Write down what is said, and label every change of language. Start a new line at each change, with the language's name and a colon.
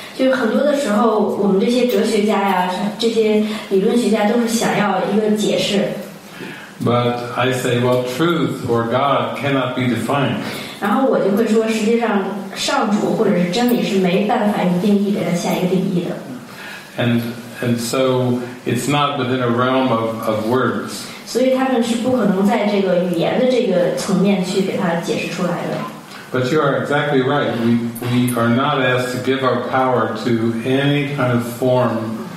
Chinese: 就很多的时候我们这些哲学家呀，这些理论学家都是想要一个解释。
English: But I say, well, truth or God cannot be defined.
Chinese: 然后我就会说，实际上上主或者是真理是没办法用定义给它下一个定义的。
English: And so it's not within a realm of words.
Chinese: 所以他们是不可能在这个语言的这个层面去给它解释出来的。
English: But you are exactly right. We are not asked to give our power to any kind of form